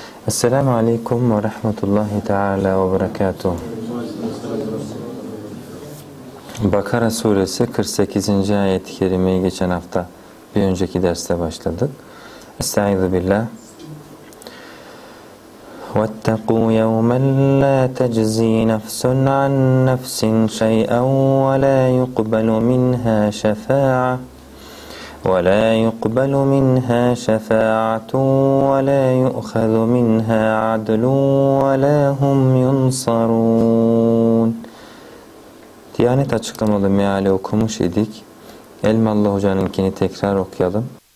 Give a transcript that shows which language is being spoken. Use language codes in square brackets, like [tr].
[ar] السلام عليكم ورحمة الله تعالى وبركاته. [tr] Bakara suresi 48. ayet-i kerimeyi geçen hafta bir önceki derste başladık. [ar] Estaizu billah. وَاتَّقُوا يَوْمًا لَا تَجْزِي نَفْسٌ عَنْ نَفْسٍ شَيْئًا وَلَا يُقْبَلُ مِنْهَا شَفَاعَةً ولا يقبل منها شفاعة ولا يؤخذ منها عدل ولا هم ينصرون. [tr] Diyanet açıklamalı meali okumuş idik. Elmalı hocanınkini tekrar okuyalım.